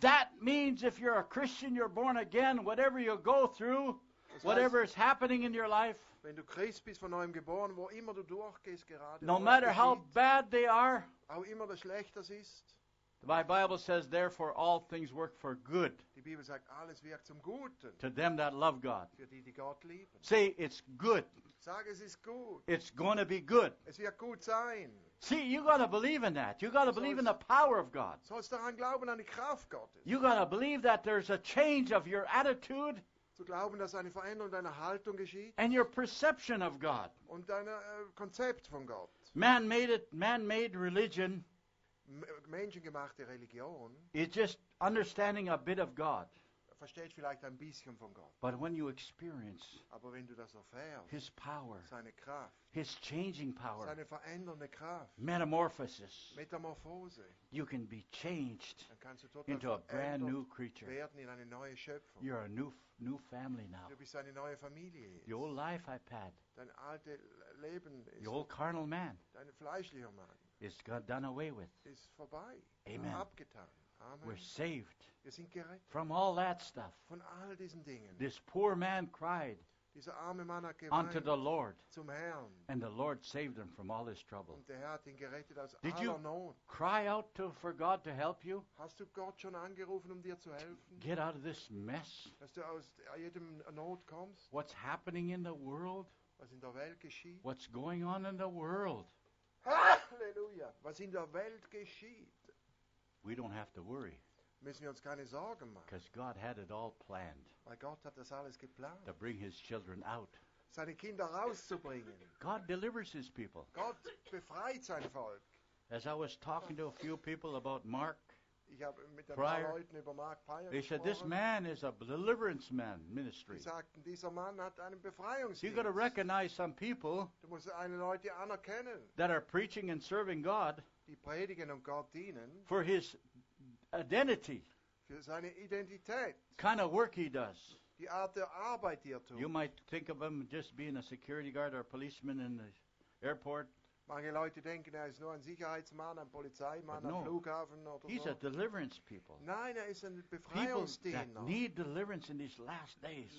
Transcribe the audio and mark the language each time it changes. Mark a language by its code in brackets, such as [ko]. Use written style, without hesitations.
[en] That means if you're a Christian, you're born again, whatever you go through, [de] das [en] whatever [de] heißt, [en] is happening in your life, [de] wenn du Christ bist, von neuem geboren, wo immer du durchgehst, gerade, [en] no matter how bad they are, [de] auch immer das schlecht das ist, [en] my Bible says, therefore, all things work for good. [de] Die Bibel sagt, alles wirkt zum Guten. [en] To them that love God. [de] Für die, die Gott lieben. [en] Say, it's good. [de] Sag, es ist gut. [en] It's going to be good. [de] Es wird gut sein. [en] See, you got to believe in that. You got to believe in the power of God. [de] Sollst daran glauben, an die Kraft Gottes. [en] You got to believe that there's a change of your attitude. [de] Zu glauben, dass eine Veränderung deiner Haltung geschieht. [en] And your perception of God. [de] Und dein Konzept von Gott. [en] Man-made religion. [de] Menschengemachte Religion. [en] It's just understanding a bit of God. [de] Versteht vielleicht ein bisschen von Gott. [en] But when you experience. [de] Aber wenn du das erfährst. [en] His power. [de] Seine Kraft. [en] His changing power. [de] Seine verändernde Kraft. [en] Metamorphosis. [de] Metamorphose. [en] You can be changed. [de] Dann kannst du total [en] into a brand new creature. [de] Werden in eine neue Schöpfung. [en] You're a new family now. [de] Du bist eine neue Familie. [en] The old life I've had. [de] Dein alte Leben. [en] The old carnal man. [de] Dein fleischlicher Mann. [en] is done away with. [de] Ist vorbei. [en] Amen. [de] Abgetan. Amen. [en] We're saved. [de] Wir sind gerettet. [en] From all that stuff. [de] Von all diesen Dingen. [en] This poor man cried. [de] Dieser arme Mann hat geweint. [en] Unto the Lord. [de] Zum Herrn. [en] And the Lord saved him from all his trouble. [de] Und der Herr hat ihn gerettet aus [en] Did [de] aller Not. [en] Did you cry out for God to help you? [de] Hast du Gott schon angerufen, um dir zu helfen? [en] Get out of this mess. [de] Dass du aus jedem Not kommst. [en] What's happening in the world? [de] Was in der Welt geschieht? [en] What's going on in the world? [de] Halleluja! Was in der Welt geschieht? [en] We don't have to worry. [de] Müssen wir uns keine Sorgen machen. [en] Because God had it all planned. [de] Weil Gott hat das alles geplant. [en] To bring his children out. [de] Seine Kinder rauszubringen. [en] God delivers his people. [de] Gott befreit sein Volk. [en] As I was talking to a few people about Mark, [de] ich habe mit ein paar Leuten über Mark Pryor gesprochen. [en] They said, this man is a deliverance man ministry. [de] Sie sagten, dieser Mann hat einen Befreiungsdienst. [en] You got to recognize some people. [de] Du musst einige Leute anerkennen. [en] That are preaching and serving God. [de] Die predigen und Gott dienen. [en] For his identity. [de] Für seine Identität. [en] Kind of work he does. [de] Die Art der Arbeit, die er tut. [en] You might think of him just being a security guard or a policeman in the airport. [de] Manche Leute denken, er ist nur ein Sicherheitsmann, ein Polizeimann, [en] no, [de] am Flughafen oder [en] he's [de] so. [en] A deliverance people. [de] Nein, er ist ein Befreiungsdiener. [en] People that need deliverance in these last days.